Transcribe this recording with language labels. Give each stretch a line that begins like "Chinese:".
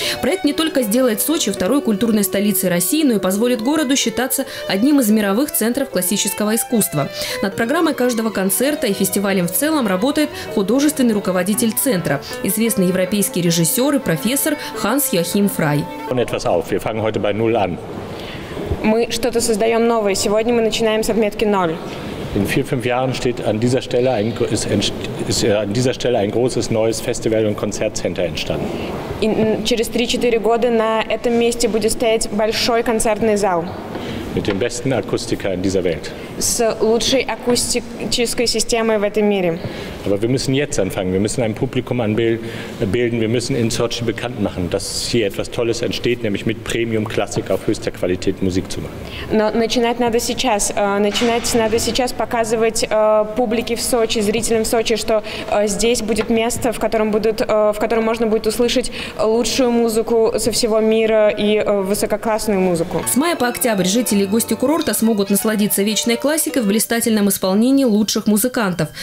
Russian: Проект не только сделает Сочи второй культурной столицей России, но и позволит городу считаться одним из мировых центров классического искусства. Над программой каждого концерта и фестивалем в целом работает художественный руководитель центра, известный европейский режиссер и профессор Ханс Йоахим Фрай. Мы что-то создаем новое. Сегодня мы начинаем с отметки ноль.
German: In 4-5 Jahren steht an dieser Stelle ein großes neues Festival- und Konzertcenter entstanden.
Russian: Через 3-4 года на этом месте будет стоять большой концертный зал.
German: Mit den besten Akustikern dieser Welt.
Russian: С лучшей акустической системой в этом мире.
German: Aber wir müssen jetzt anfangen. Wir müssen ein Publikum bilden. Wir müssen in Sochi bekannt machen, dass hier etwas Tolles entsteht, nämlich mit Premium-Klassik auf höchster Qualität Musik zu machen.
Russian: Но начинать надо сейчас. Показывать публике в Сочи, зрителям в Сочи, что здесь будет место, в котором можно будет услышать лучшую музыку со всего мира и высококлассную музыку. С мая по октябрь жители и гости курорта смогут насладиться вечной классикой в блистательном исполнении лучших музыкантов.